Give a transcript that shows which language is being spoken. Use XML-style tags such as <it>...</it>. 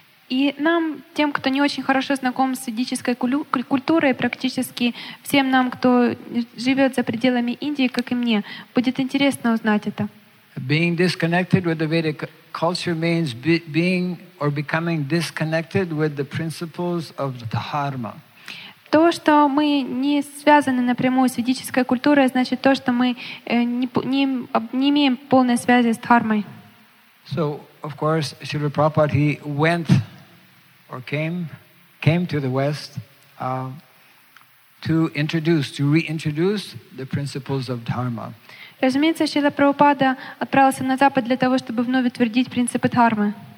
<ru>И нам, тем, кто не очень хорошо знаком с ведической культурой, практически всем нам, кто живет за пределами Индии, как и мне, будет интересно узнать это.</ru> <en>Being disconnected with the Vedic culture means being or becoming disconnected with the principles of the dharma.</en> <ru>То, что мы не связаны напрямую с ведической культурой, значит то, что мы не имеем полной связи с дхармой.</ru> <en>So, of course, Srila Prabhupada, he went or came to the West to reintroduce the principles of dharma.</en> <ru>Разумеется, Шрила Прабхупада отправился на Запад для того, чтобы вновь утвердить принципы дхармы.</ru>